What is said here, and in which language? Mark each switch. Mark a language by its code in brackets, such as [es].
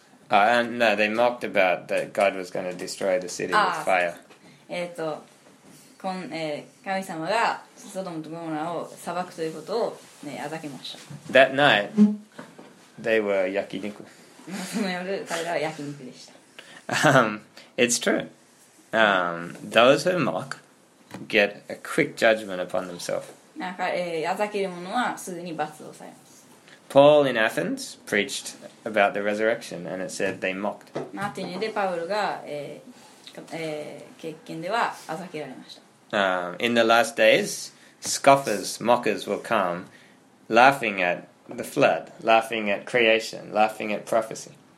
[en] No, they mocked about that God was going to destroy the city with fire. [ja] ああ、神様がソドムとゴモラを裁くということを預けました。 [en] That night, they were yakiniku. [ja] その夜、彼らは焼肉でした。 [en] It's true. Those who mock get a quick judgment upon themselves. Paul in Athens preached about the resurrection and it said they mocked. In the last days, scoffers, mockers will come laughing at the flood, laughing at creation, laughing at prophecy.